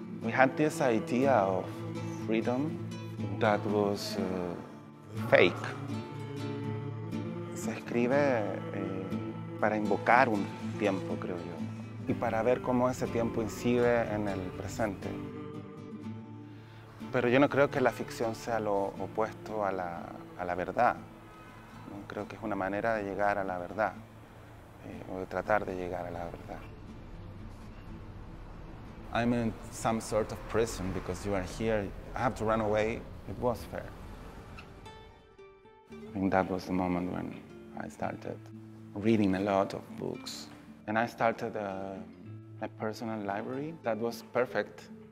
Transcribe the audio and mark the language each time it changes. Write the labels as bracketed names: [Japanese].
[English] We had this idea of freedom that was fake. [Spanish] Se escribe para invocar un tiempo, creo yo, y para ver cómo ese tiempo incide en el presente. Pero yo no creo que la ficción sea lo opuesto a la verdad. Creo que es una manera de llegar a la verdad, o de tratar de llegar a la verdad. [English] I'm in some sort of prison because you are here. I have to run away. It was fair. I think that was the moment when I started reading a lot of books. And I started a personal library that was perfect.